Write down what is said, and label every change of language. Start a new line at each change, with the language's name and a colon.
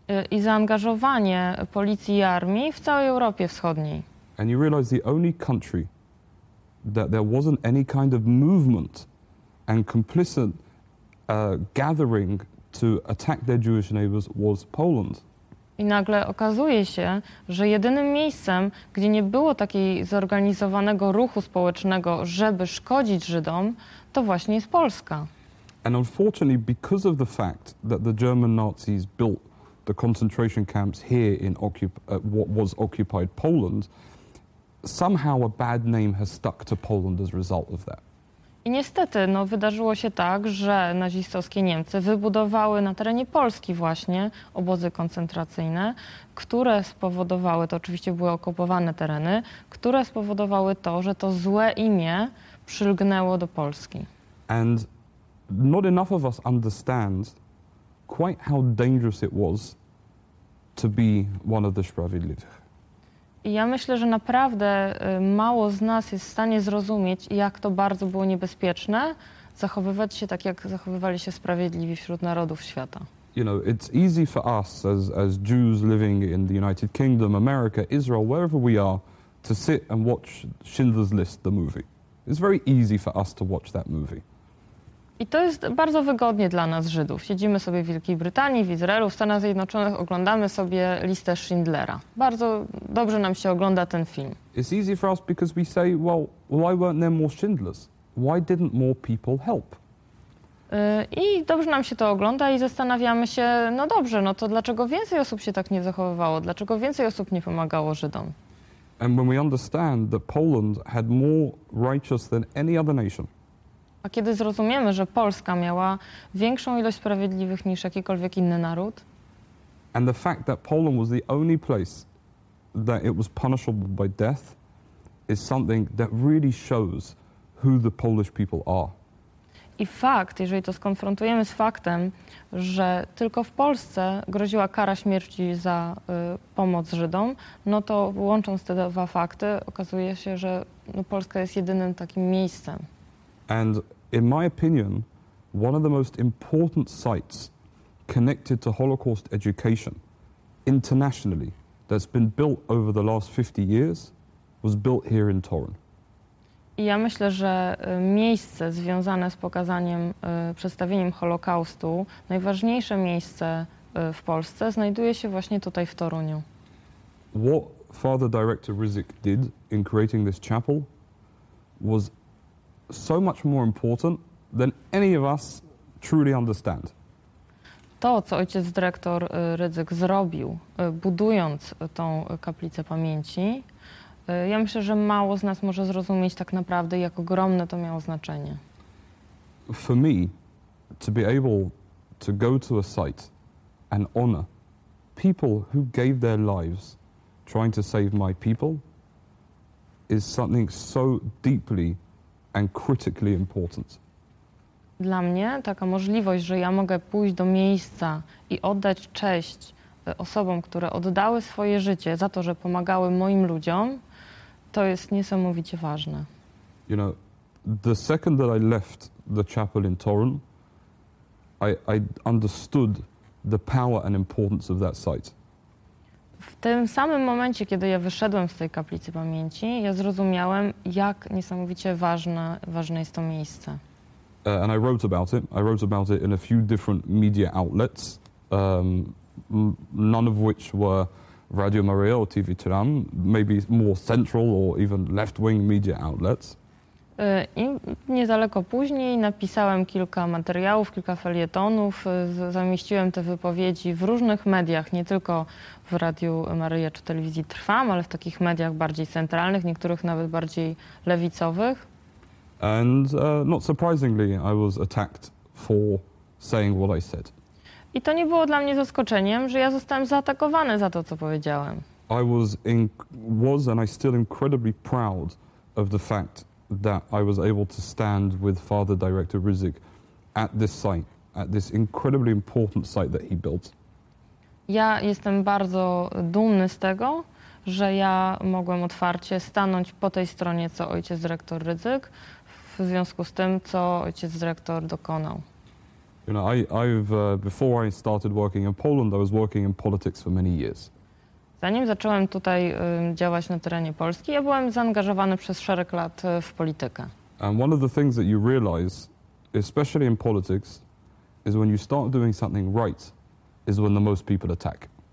Polish: I zaangażowanie policji i armii w całej Europie Wschodniej.
English: And you realize the only country that there wasn't any kind of movement and complicit gathering to attack their Jewish neighbors was Poland.
Polish: I nagle okazuje się, że jedynym miejscem, gdzie nie było takiej zorganizowanego ruchu społecznego, żeby szkodzić Żydom, to właśnie jest Polska.
English: And unfortunately, because of the fact that the German Nazis built the concentration camps here in what was occupied Poland, somehow a bad name has stuck to Poland as a result of that.
Polish: I niestety, no, wydarzyło się tak, że nazistowskie Niemcy wybudowały na terenie Polski właśnie obozy koncentracyjne, które spowodowały, to oczywiście były okupowane tereny, które spowodowały to, że to złe imię przylgnęło do Polski.
English: And not enough of us understand quite how dangerous it was to be one of the Sprawiedliwych.
Polish: I ja myślę, że naprawdę mało z nas jest w stanie zrozumieć, jak to bardzo było niebezpieczne zachowywać się tak, jak zachowywali się Sprawiedliwi wśród narodów świata.
English: You know, it's easy for us as Jews living in the United Kingdom, America, Israel, wherever we are, to sit and watch Schindler's List, the movie. It's very easy for us to watch that movie.
Polish: I to jest bardzo wygodnie dla nas, Żydów. Siedzimy sobie w Wielkiej Brytanii, w Izraelu, w Stanach Zjednoczonych, oglądamy sobie listę Schindlera. Bardzo dobrze nam się ogląda ten film.
English: It's easy for us because we say, well, why weren't there more Schindlers? Why didn't more people help?
Polish: I dobrze nam się to ogląda i zastanawiamy się, no dobrze, no to dlaczego więcej osób się tak nie zachowywało? Dlaczego więcej osób nie pomagało Żydom?
English: And when we understand that Poland had more righteous than any other nation,
Polish: a kiedy zrozumiemy, że Polska miała większą ilość sprawiedliwych niż jakikolwiek inny naród,
English: and the fact that Poland was the only place that it was punishable by death is something that really shows who the Polish people are.
Polish: I fakt, jeżeli to skonfrontujemy z faktem, że tylko w Polsce groziła kara śmierci za pomoc Żydom, no to łącząc te dwa fakty, okazuje się, że no, Polska jest jedynym takim miejscem.
English: And in my opinion, one of the most important sites connected to Holocaust education internationally that's been built over the last 50 years was built here in Torun.
Polish: I ja myślę, że miejsce związane z pokazaniem, przedstawieniem Holokaustu, najważniejsze miejsce w Polsce, znajduje się właśnie tutaj w Toruniu.
English: What Father Director Rizik did in creating this chapel was so much more important than any of us truly understand.
Polish: To, co ojciec dyrektor Rydzyk zrobił, budując tą kaplicę pamięci, ja myślę, że mało z nas może zrozumieć tak naprawdę, jak ogromne to miało znaczenie.
English: For me, to be able to go to a site and honor people who gave their lives trying to save my people is something so deeply and critically important.
Polish: Dla mnie taka możliwość, że ja mogę pójść do miejsca i oddać cześć osobom, które oddały swoje życie za to, że pomagały moim ludziom, to jest niesamowicie ważne.
English: You know, the second that I left the chapel in Torun, I understood the power and importance of that site.
Polish: W tym samym momencie, kiedy ja wyszedłem z tej kaplicy pamięci, ja zrozumiałem, jak niesamowicie ważne jest to miejsce.
English: And I wrote about it. I wrote about it in a few different media outlets, none of which were Radio Maria or TV Tiran, maybe more central or even left-wing media outlets.
Polish: I niedaleko później napisałem kilka materiałów, kilka felietonów, zamieściłem te wypowiedzi w różnych mediach, nie tylko w Radiu Maryja czy Telewizji Trwam, ale w takich mediach bardziej centralnych, niektórych nawet bardziej lewicowych.
English: And not surprisingly, I was attacked for saying what I said.
Polish: I to nie było dla mnie zaskoczeniem, że ja zostałem zaatakowany za to, co powiedziałem.
English: I was and I still incredibly proud of the fact that I was able to stand with Father Director Rizik at this site, at this incredibly important site that he built.
Polish: Ja jestem bardzo dumny z tego, że ja mogłem otwarcie stanąć po tej stronie, co ojciec dyrektor Rydzyk, w związku z tym, co ojciec dyrektor dokonał.
English: You know, before I started working in Poland, I was working in politics for many years.
Polish: Zanim zacząłem tutaj działać na terenie Polski, ja byłem zaangażowany przez szereg lat w politykę.
English: And one of the things that you realize, especially in politics, is when you start doing something right, is when the most people attack.